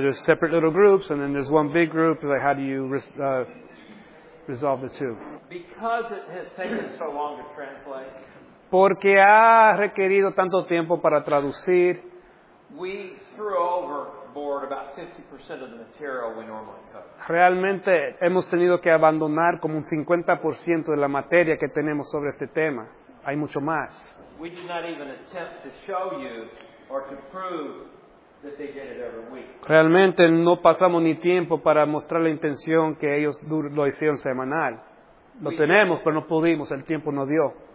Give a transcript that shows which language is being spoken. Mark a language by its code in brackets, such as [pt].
[en] There's separate little groups, and then there's one big group. Like, how do you resolve the two? Because it has taken so long to translate. [es] porque ha requerido tanto tiempo para traducir. [en] We threw overboard about 50% of the material we normally cook. [es] Realmente hemos tenido que abandonar como un 50% de la materia que tenemos sobre este tema. Hay mucho más. [en] We did not even attempt to show you or to prove that they did it every week. [es] Realmente no pasamos ni tiempo para mostrar la intención que ellos lo hicieron semanal. Lo tenemos, pero no pudimos, el tiempo no dio.